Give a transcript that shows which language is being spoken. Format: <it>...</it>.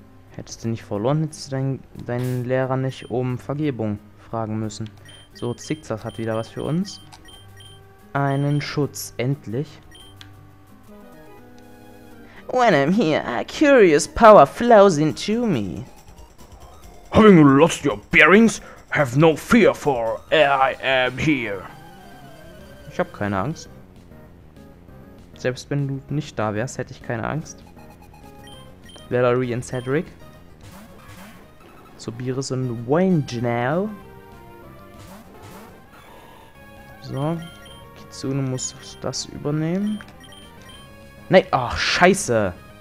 <de>Hättest du nicht verloren, hättest du deinen Lehrer nicht um Vergebung fragen müssen. So, Zickzack hat wieder was für uns. Einen Schutz, endlich.</de> <en>When I'm here, a curious power flows into me. Having lost your bearings, have no fear for I am here.</en> <de>Ich hab keine Angst. Selbst wenn du nicht da wärst, hätte ich keine Angst. Valerie und Cedric. So, Beerus und Wayne Janelle. So, Kitsune muss das übernehmen. Nee, ach, scheiße.</de>